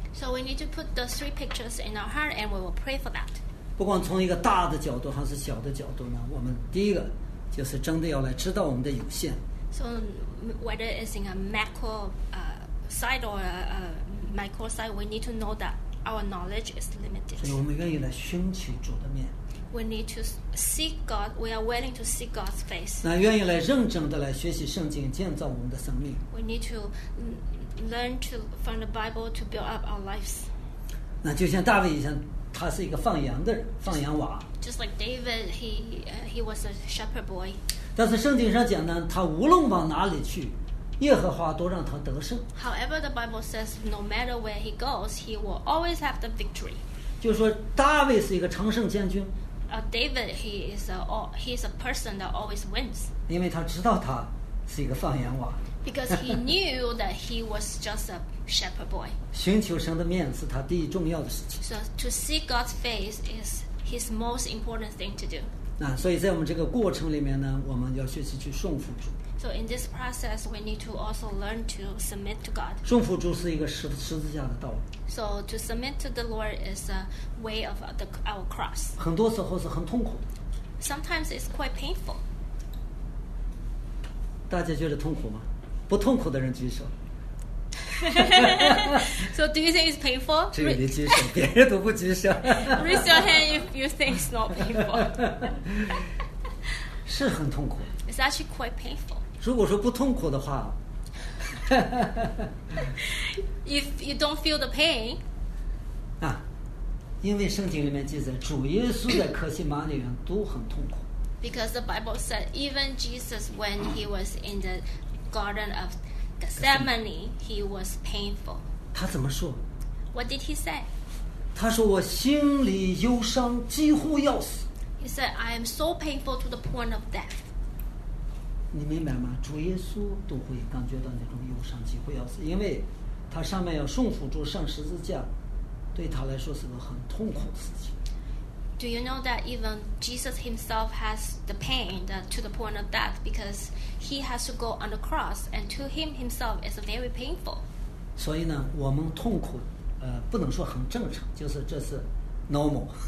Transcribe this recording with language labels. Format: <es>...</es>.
<en>So we need to put the three pictures in our heart, and we will pray for that.</en> <zh>不管从一个大的角度还是小的角度呢，我们第一个就是真的要来知道我们的有限。</zh> <en>So whether it's in a macro side or a micro side, we need to know that our knowledge is limited.</en> <zh>所以我们愿意来寻求主的面。</zh> <en>We need to seek God. We are willing to seek God's face.</en> <zh>那愿意来认真的来学习圣经，建造我们的生命。</zh> <en>We need to learn to from the Bible to build up our lives.</en> <zh>那就像大卫一样。他是一个放羊的人，放羊娃。</zh> <en>Just like David, he was a shepherd boy.</en> <zh>但是圣经上讲呢，他无论往哪里去，耶和华都让他得胜。</zh> <en>However, the Bible says, no matter where he goes, he will always have the victory.</en> <zh>就是说，大卫是一个常胜将军。</zh> <en>David, he is a person that always wins.</en> <zh>因为他知道他是一个放羊娃。</zh> <en>Because he knew that he was just a shepherd boy.</en> <zh>寻求神的面是他第一重要的事情。</zh> <en>So to seek God's face is his most important thing to do.</en> <zh>那所以在我们这个过程里面呢，我们要学习去顺服主。</zh> <en>So in this process, we need to also learn to submit to God.</en> <zh>顺服主是一个十字架的道路。</zh> <en>So to submit to the Lord is a way of our cross.</en> <zh>很多时候是很痛苦。</zh> <en>Sometimes it's quite painful.</en> <zh>大家觉得痛苦吗？不痛苦的人举手。</zh> <en>So do you think it's painful?</en> <zh>只有你举手，别人都不举手。</zh> <en>Raise your hand if you think it's not painful.</en> <zh>是很痛苦。</zh> <en>It's actually quite painful.</en> <zh>如果说不痛苦的话</zh> <en>，If you don't feel the pain,</en> <zh>啊，因为圣经里面记载，主耶稣在克西马尼园都很痛苦。</zh> <en>because the Bible said even Jesus, when he was in the Garden of Gethsemane, he was painful.</en> <zh>他怎么说？</zh> <en>What did he say?</en> <zh>他说我心里忧伤，几乎要死。</zh> <en>He said, I am so painful to the point of death.</en> <zh>你明白吗？主耶稣都会感觉到那种忧伤，几乎要死，因为他上面要顺服主上十字架，对他来说是个很痛苦的事情。</zh> <en>Do you know that even Jesus himself has the pain to the point of death because he has to go on the cross and to him himself is very painful.</en> <zh>所以呢，我们痛苦，不能说很正常，就是这是 normal.</zh>